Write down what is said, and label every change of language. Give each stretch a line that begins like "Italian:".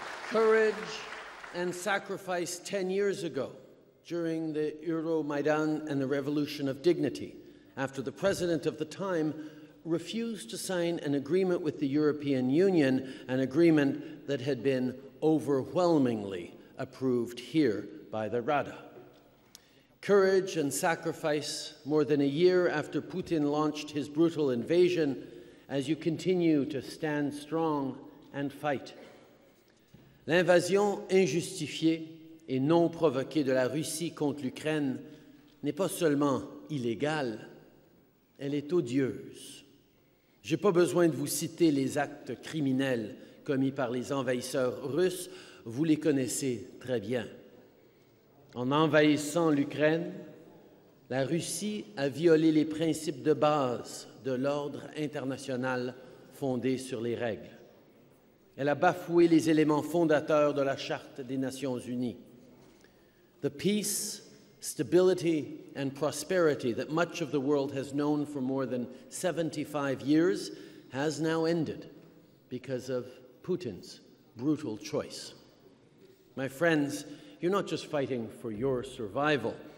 English: Courage and sacrifice 10 years ago during the Euromaidan and the Revolution of Dignity, after the president of the time refused to sign an agreement with the European Union, an agreement that had been overwhelmingly approved here by the Rada. Courage and sacrifice more than a year after Putin launched his brutal invasion, as you continue to stand strong and fight.
French: L'invasion injustifiée et non provoquée de la Russie contre l'Ukraine n'est pas seulement illégale, elle est odieuse. J'ai pas besoin de vous citer les actes criminels commis par les envahisseurs russes, vous les connaissez très bien. En envahissant l'Ukraine, la Russie a violé les principes de base de l'ordre international fondé sur les règles. Elle a bafoué les éléments fondateurs de la Charte des Nations Unies.
English: The peace, stability and prosperity that much of the world has known for more than 75 years has now ended because of Putin's brutal choice. My friends, you're not just fighting for your survival.